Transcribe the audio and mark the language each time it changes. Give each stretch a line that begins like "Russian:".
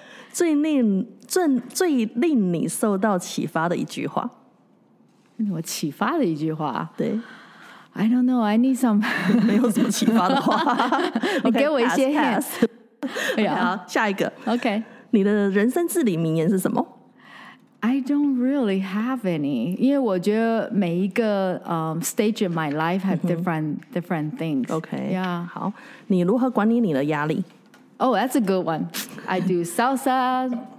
Chinese: 最令你受到启发的一句话，我启发的一句话，对
English: ，I don't know，I need some，
Chinese: 没有什么启发的话，你给我一些 hint。
English: Pass, pass. Okay,
Chinese: 好，下一个
English: ，OK。
Chinese: 你的人生至理名言是什么？
English: I don't really have any，
Chinese: 因为我觉得每一个
English: stage of my life have different things。 OK、 yeah.
Chinese: 好，你如何管理你的压力？
English: Oh that's a good one， I do salsa